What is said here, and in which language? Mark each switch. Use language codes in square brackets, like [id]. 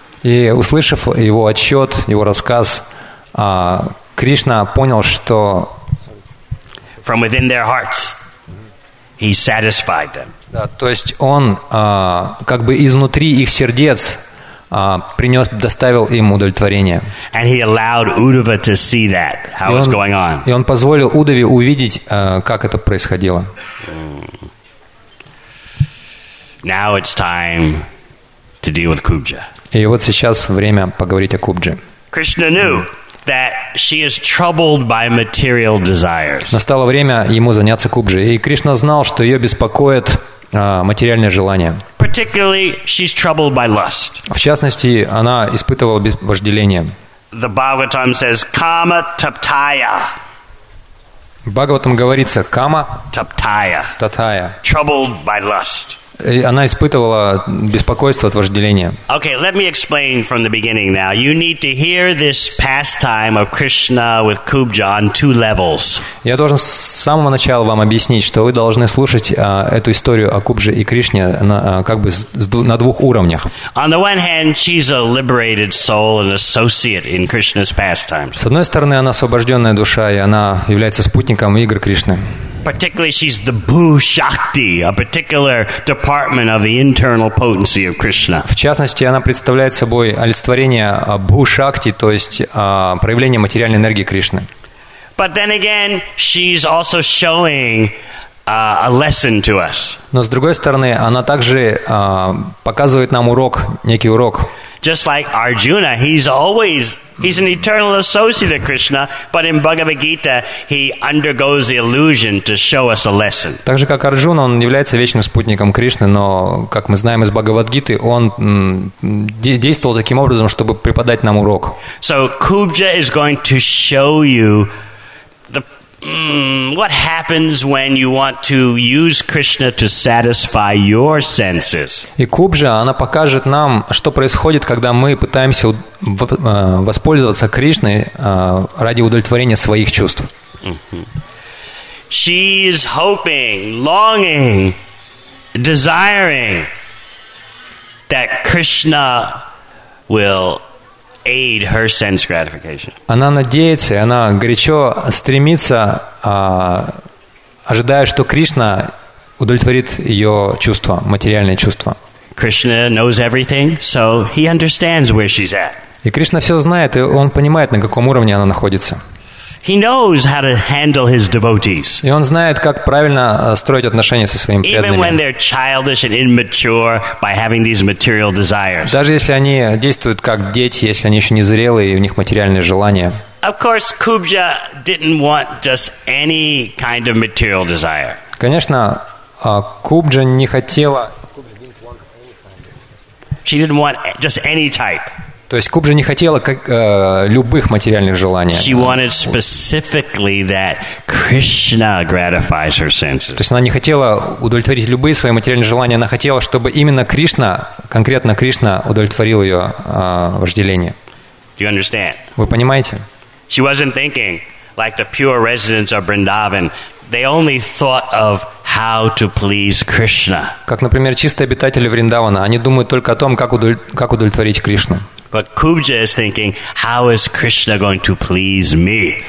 [ru] И услышав его отчет, его рассказ, Кришна понял, что [en] from within their hearts, he satisfied them. [ru] Да, то есть он как бы изнутри их сердец принес, доставил им удовлетворение. [en] And he allowed Uddhava to see that, how it was going on. [ru] И он позволил Уддхаве увидеть, как это происходило. [en] Now it's time to deal with Kubja. [ru] И вот сейчас время поговорить о Кубже. [en] Krishna knew that she is troubled by material desires. [ru] Настало время ему заняться Кубджей, и Кришна знал, что ее беспокоит материальное желание. [en] Particularly, she's troubled by lust. [ru] В частности, она испытывала вожделение. [en] The Bhagavatam says, [sa] "Kama taptaya." [ru] В Бхагаватам говорится, "Кама таптая." Таптая. [en] Troubled by lust. [ru] И она испытывала беспокойство от вожделения. [en] Okay, let me explain from the beginning now. You need to hear this pastime of Krishna with Kubja on two levels. [ru] Я должен с самого начала вам объяснить, что вы должны слушать эту историю о Кубже и Кришне на двух уровнях. [en] On the one hand, she's a liberated soul, an associate in Krishna's pastimes. [ru] С одной стороны, она освобожденная душа, и она является спутником игр Кришны. [en] Particularly, she's the Bhu Shakti, a particular department of the internal potency of Krishna. [ru] В частности, она представляет собой олицетворение Бху Шакти, то есть проявление материальной энергии Кришны. [en] But then again, she's also showing a lesson to us. [ru] Но с другой стороны, она также показывает нам урок, некий урок. [en] Just like Arjuna, he's an eternal associate of Krishna, but in Bhagavad Gita, he undergoes the illusion to show us a lesson. [ru] Так же, как Арджуна, он является вечным спутником Кришны, но, как мы знаем из Бхагавадгиты, он действовал таким образом, чтобы преподать нам урок. [en] So, Kubja is going to show you what happens when you want to use Krishna to satisfy your senses? [ru] И Кубджа, она покажет нам, что происходит, когда мы пытаемся воспользоваться Кришной ради удовлетворения своих чувств. [en] She is hoping, longing, desiring that Krishna will aid her sense gratification. [ru] Она надеется, она горячо стремится, ожидая, что Кришна удовлетворит ее чувства, материальные чувства. [en] Krishna knows everything, so he understands where she's at. [ru] И Кришна все знает, и он понимает, на каком уровне она находится. [en] He knows how to handle his devotees. [ru] И он знает, как правильно строить отношения со своими преданными. [en] Even when they're childish and immature by having these material desires. [ru] Даже если они действуют как дети, если они еще не зрелые и у них материальные желания. [en] Of course, Kubja didn't want just any kind of material desire. [ru] Конечно, Кубджа не хотела. [en] She didn't want just any type. [ru] То есть Кубджа не хотела любых материальных желаний. [en] She wanted specifically that Krishna gratifies her senses. [ru] То есть она не хотела удовлетворить любые свои материальные желания, она хотела, чтобы именно Кришна, конкретно Кришна, удовлетворил ее вожделение. [en] Do you understand? [ru] Вы понимаете? [en] She wasn't thinking like the pure residents of Vrindavan. They only thought of how to please Krishna. [ru] Как, например, чистые обитатели Вриндавана, они думают только о том, как удовлетворить Кришну. [en] But Kubja is thinking, how is Krishna going to please me?